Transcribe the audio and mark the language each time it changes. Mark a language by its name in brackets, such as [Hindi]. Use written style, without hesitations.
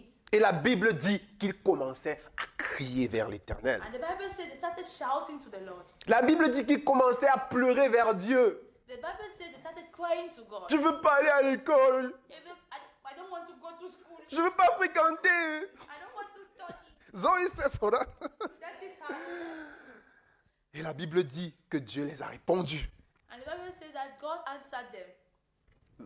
[French] Et la Bible dit qu'ils commençaient à crier vers l'Éternel. [English] And the Bible said they started shouting to the Lord. [French] La Bible dit qu'ils commençaient à pleurer vers Dieu. [English] The Bible said they started crying to God. [French] Je ne veux pas aller à l'école. [English] I don't want to go to school. [French] Je ne veux pas fréquenter. [English] I don't want to study. [French] Zoé, c'est ça. [English] That is how. [French] Et la Bible dit que Dieu les a répondu. [English] And the Bible says that God answered them.